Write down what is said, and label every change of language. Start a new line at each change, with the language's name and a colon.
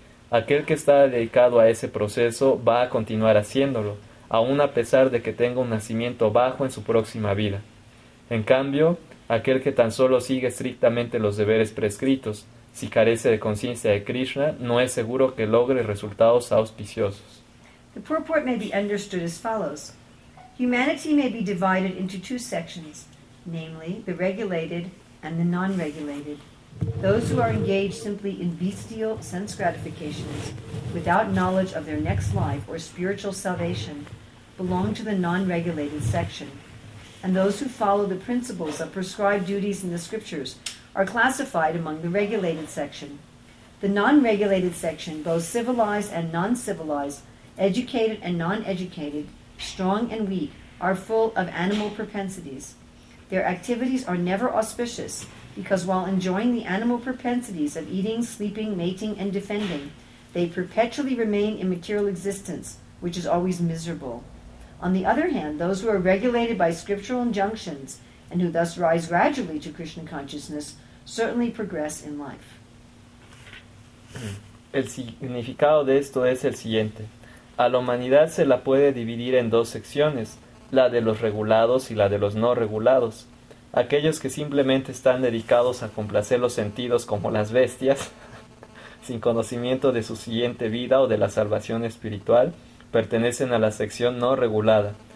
Spanish: Aquel que está dedicado a ese proceso va a continuar haciéndolo, aun a pesar de que tenga un nacimiento bajo en su próxima vida. En cambio, aquel que tan solo sigue estrictamente los deberes prescritos, si carece de conciencia de Krishna, no es seguro que logre resultados auspiciosos.
English: The purport may be understood as follows. Humanity may be divided into two sections, namely the regulated and the non-regulated. Those who are engaged simply in bestial sense gratifications, without knowledge of their next life or spiritual salvation, belong to the non-regulated section. And those who follow the principles of prescribed duties in the scriptures are classified among the regulated section. The non-regulated section, both civilized and non-civilized, educated and non-educated, strong and weak, are full of animal propensities. Their activities are never auspicious, because while enjoying the animal propensities of eating, sleeping, mating, and defending, they perpetually remain in material existence, which is always miserable. On the other hand, those who are regulated by scriptural injunctions and who thus rise gradually to Krishna consciousness certainly progress in life.
Spanish: El significado de esto es el siguiente. A la humanidad se la puede dividir en dos secciones, la de los regulados y la de los no regulados. Aquellos que simplemente están dedicados a complacer los sentidos como las bestias, sin conocimiento de su siguiente vida o de la salvación espiritual, pertenecen a la sección no regulada.